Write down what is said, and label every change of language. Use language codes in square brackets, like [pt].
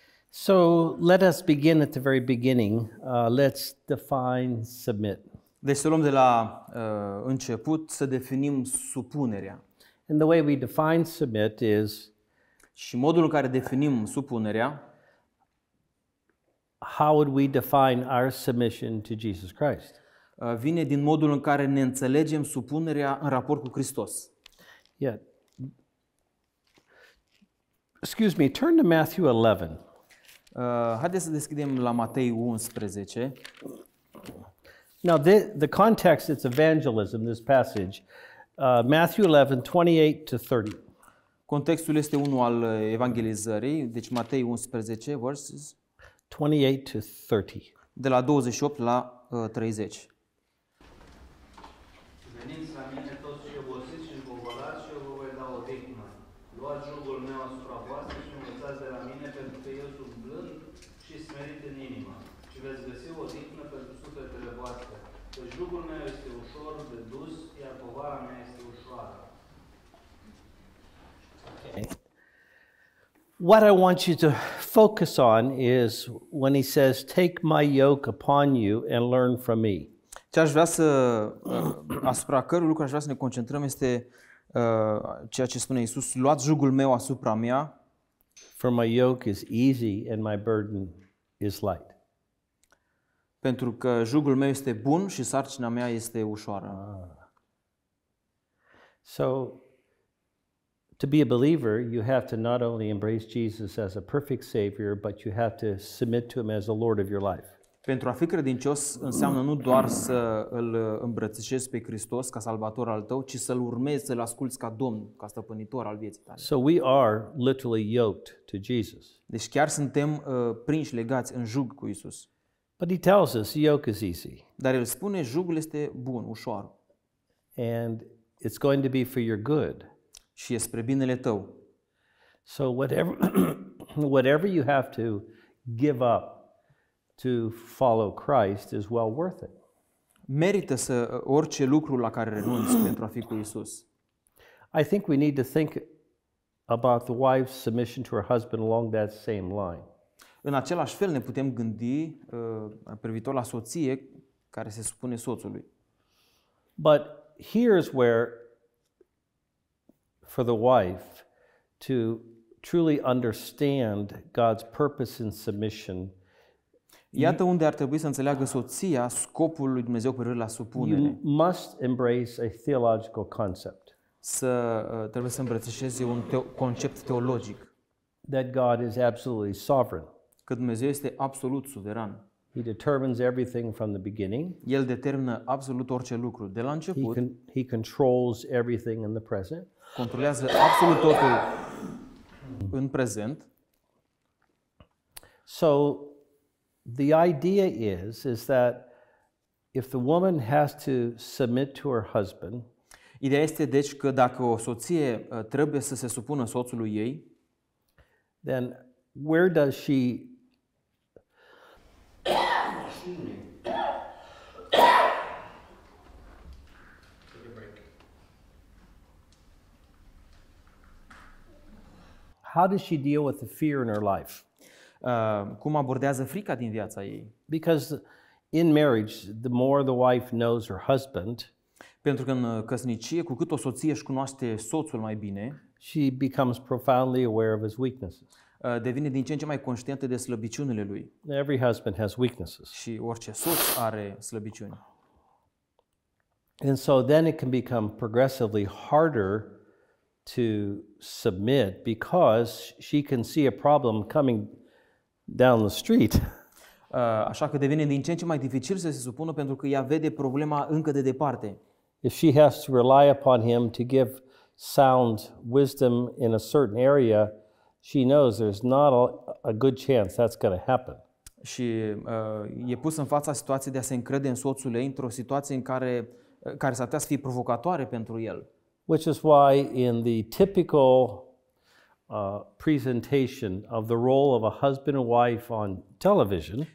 [en] So let us begin at the very beginning. Let's define submit. [ro] Deci să luăm de la început să definim supunerea. [en] And the way we define submit is, [ro] și modul în care definim supunerea, [en] how would we define our submission to Jesus Christ? [ro] Vine din modul în care ne înțelegem supunerea în raport cu Hristos. [en] Yeah. Excuse me, turn to Matthew 11. [ro] Haideți să deschidem la Matei 11. [en] Now the context, it's evangelism, this passage. Matthew 11:28-30. [ro] Contextul este unul al evangelizării, deci Matei 11 verses [en] 28-30. [ro] De la 28 la 30. Veniți la mine toți cei obosiți și împovărați și eu vă voi da odihnă. Luați jugul meu asupra voastră și învățați de la mine, pentru că eu sunt blând și smerit în inimă și veți găsi odihnă pentru sufletele voastre. Căci jugul meu este ușor de dus, iar povara mea este ușoară. [en] Okay. What I want you to focus on is when he says, take my yoke upon you and learn from me. [ro] Ce aș vrea să, asupra cărui lucru aș vrea să ne concentrăm este ceea ce spune Iisus, luați jugul meu asupra mea. [en] For my yoke is easy and my burden is light. [ro] Pentru că jugul meu este bun și sarcina mea este ușoară. [en] So, to be a believer, you have to not only embrace Jesus as a perfect savior, but you have to submit to him as the Lord of your life. [ro] Pentru a fi credincios înseamnă nu doar să îl îmbrățișezi pe Hristos ca salvator al tău, ci să-l urmezi, să-l asculți ca domn, ca stăpânitor al vieții tale. [en] So we are literally yoked to Jesus. [ro] Deci chiar suntem prinși, legați în jug cu Iisus. [en] But he tells us yoke is easy. [ro] Dar el spune jugul este bun, ușor. [en] And it's going to be for your good. [ro] Și e spre binele tău. [en] So whatever you have to give up to follow Christ is well worth it. [ro] Merită să orice lucru la care renunți pentru a fi cu Iisus. [en] I think we need to think about the wife's submission to her husband along that same line. [ro] În același fel ne putem gândi privitor la soție care se supune soțului. [en] But here's where for the wife to truly understand God's purpose in submission. [ro] Iată unde ar trebui să înțeleagă soția scopul lui Dumnezeu cu privire la supunere. [en] You must embrace a theological concept. [ro] Trebuie să îmbrățișeze un concept teologic. [en] That God is absolutely sovereign. [ro] Că Dumnezeu este absolut suveran. [en] He determines everything from the beginning. [ro] El determină absolut orice lucru de la început. [en] He controls everything in the present. [ro] Controlează absolut totul în prezent. [en] So the idea is that if the woman has to submit to her husband, [ro] ideea este deci că dacă o soție trebuie să se supună soțului ei, [en] then where does she how does she deal with the fear in her life? [ro] Cum abordează frica din viața ei? [en] Because in marriage, the more the wife knows her husband, [ro] pentru că în căsnicie, cu cât o soție își cunoaște soțul mai bine, [en] she becomes profoundly aware of his weaknesses. [ro] Devine din ce în ce mai conștientă de slăbiciunile lui. [en] Every husband has weaknesses. [ro] Și orice soț are slăbiciuni. [en] And so then it can become progressively harder to submit because she can see a problem coming down the street. [ro] Așa că devine din ce în ce mai dificil să se supună pentru că ea vede problema încă de departe. [en] If she has to rely upon him to give sound wisdom in a certain area, she knows there's not a good chance that's going to happen. [ro] Și e pus în fața situației de a se încrede în soțul ei într-o situație în care care s-ar putea să fie provocatoare pentru el. [en] Which is why in the typical presentation of the role of a husband and wife on television.